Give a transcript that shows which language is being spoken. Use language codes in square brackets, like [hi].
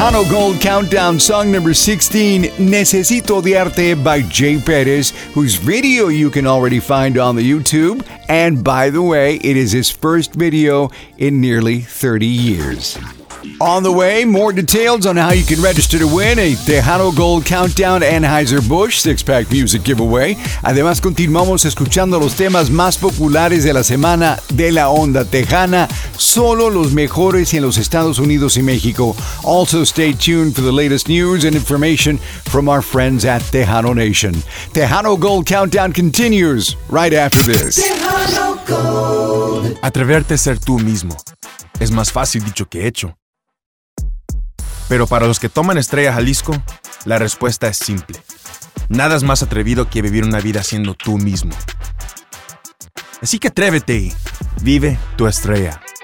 [en] Gold Countdown, song number 16, Necesito Odiarte by Jay Perez, whose video you can already find on the YouTube. And by the way, it is his first video in nearly 30 years. On the way, more details on how you can register to win a Tejano Gold Countdown Anheuser-Busch six-pack music giveaway. [es] Además, continuamos escuchando los temas más populares de la semana de la onda tejana, solo los mejores en los Estados Unidos y México. [en] Also, stay tuned for the latest news and information from our friends at Tejano Nation. Tejano Gold Countdown continues right after this. Tejano Gold. [es] Atreverte a ser tú mismo es más fácil dicho que hecho. Pero para los que toman Estrella Jalisco, la respuesta es simple. Nada es más atrevido que vivir una vida siendo tú mismo. Así que atrévete y vive tu estrella.